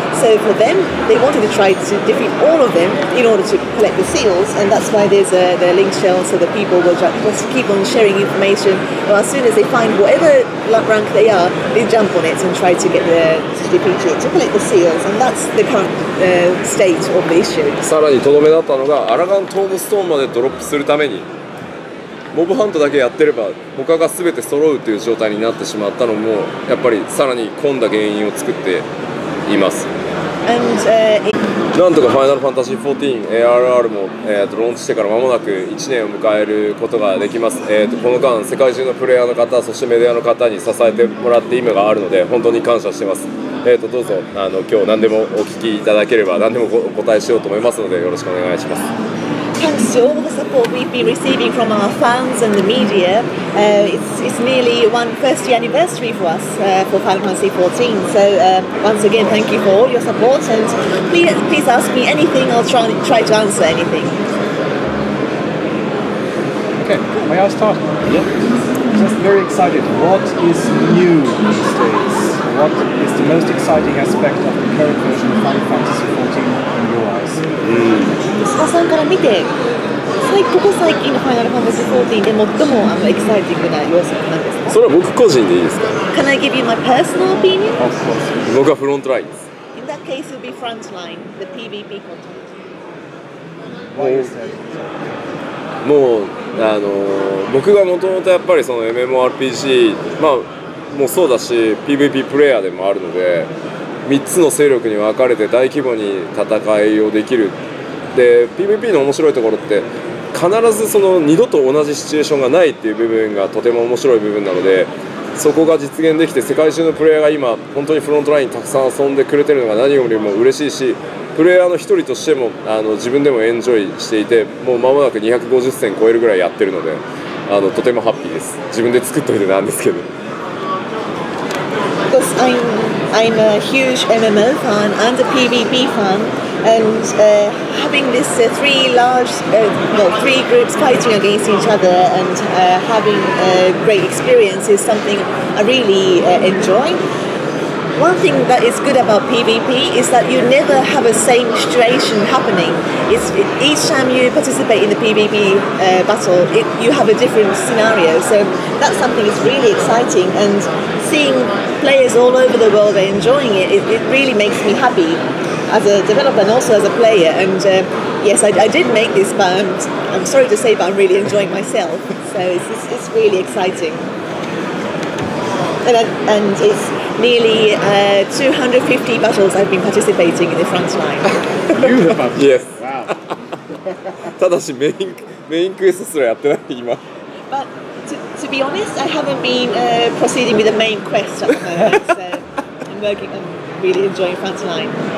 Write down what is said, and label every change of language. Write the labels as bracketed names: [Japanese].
[English] So for them, they wanted to try to defeat all of them in order to collect the seals, and that's why there's the link shell, so that people will just keep on sharing information. Well, as soon as they find whatever rank they are, they jump on it and try to get to defeat it, to collect the seals, and that's the current state of the issue. [Japanese] さらにとどめだったのが、アラガントームストーンまでドロップするために、モブハントだけやってれば他が全て揃うという状態になってしまったのも、やっぱりさらに混んだ原因を作っています。なんとかファイナルファンタジー XIV ARR も、ローンチしてから間もなく1年を迎えることができます、この間世界中のプレイヤーの方そしてメディアの方に支えてもらって今があるので本当に感謝してます、どうぞ今日何でもお聞きいただければ何でもお答えしようと思いますのでよろしくお願いします。 [English] Thanks to all the support we've been receiving from our fans and the media. It's nearly one first year anniversary for us for Final Fantasy XIV. So once again, thank you for all your support. And please ask me anything. I'll try to answer anything. Okay, may I start? Yeah. Just very excited. What is new these days? What is the most exciting aspect of the current version of Final Fantasy XIV? [Japanese] スタさんから見て、ここ最近のファイナルファンタジー14で最もエキサイティングな要素なんですか？それは僕個人でいいですか？ [English] Can I give you my personal opinion? [Japanese] 僕はフロントラインです。 [English] In that case, it would be front line, the PVP content. [Japanese] もう僕がもともとやっぱりその MMORPG、まあ、もうそうだし PVP プレイヤーでもあるので3つの勢力に分かれて大規模に戦いをできる。で PVP の面白いところって必ずその二度と同じシチュエーションがないっていう部分がとても面白い部分なので、そこが実現できて世界中のプレイヤーが今本当にフロントラインにたくさん遊んでくれてるのが何よりも嬉しいし、プレイヤーの一人としても自分でもエンジョイしていて、もう間もなく250戦超えるぐらいやってるのでとてもハッピーです。自分で作っといてなんですけど。 [English] I'm a huge MMO fan and a PvP fan, and having this three groups fighting against each other and having a great experience is something I really enjoy. One thing that is good about PvP is that you never have a same situation happening. Each time you participate in the PvP battle, you have a different scenario, so that's something that's really exciting. And seeing players all over the world are enjoying it really makes me happy as a developer and also as a player. And yes, I did make this, but I'm sorry to say, but I'm really enjoying myself. So it's really exciting. And it's nearly 250 battles I've been participating in the front line. You have battles? Yes. Wow. [Japanese] ただしメインクエストすらやってない今。 [English] To be honest, I haven't been proceeding with the main quest at the moment, so I'm really enjoying Frontline.